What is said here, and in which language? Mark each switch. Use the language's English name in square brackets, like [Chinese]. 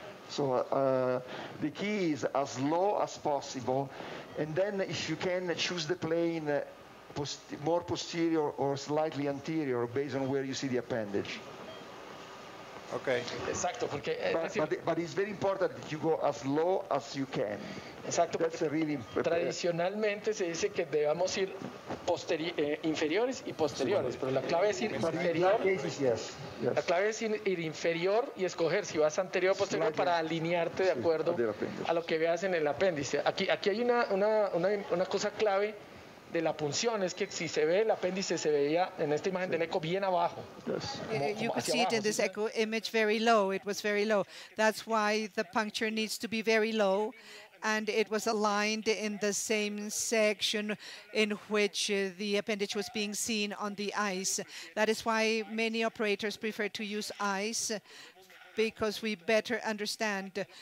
[English] So the key is as low as possible, and then if you can choose the plane more posterior or slightly anterior based on where you see the appendage. Okay. [Spanish] Exacto, porque [English] but it's very important that you go as low as you can. [Spanish] Exacto. [English] That's a really [Spanish] tradicionalmente se dice que debamos ir inferiores y posteriores, sí, pero la clave es ir inferior. [English] Cases, yes. [Spanish] La clave es ir inferior y escoger si vas anterior o posterior para alinearte de acuerdo a lo que veas en el apéndice. Aquí hay una cosa clave de la punción, es que si se ve el apéndice, se veía en esta imagen del eco bien abajo. [English] You could see it in this echo image very low. It was very low. That's why the puncture needs to be very low. And it was aligned in the same section in which the appendage was being seen on the ice. That is why many operators prefer to use ice, because we better understand.